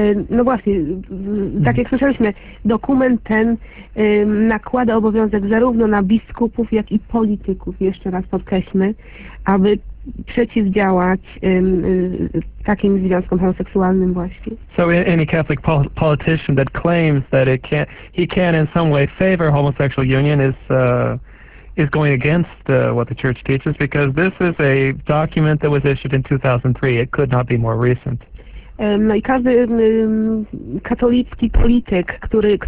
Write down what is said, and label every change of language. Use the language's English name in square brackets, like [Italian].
[Polish] No właśnie, tak jak słyszeliśmy, dokument ten nakłada obowiązek zarówno na biskupów, jak i polityków, jeszcze raz podkreślmy, aby przeciwdziałać takim związkom homoseksualnym właśnie. [English] So any Catholic politician that claims that he can in some way favor homosexual union is going against what the church teaches, because this is a document that was issued in 2003. It could not be more recent. [Polish] No i każdy katolicki polityk, który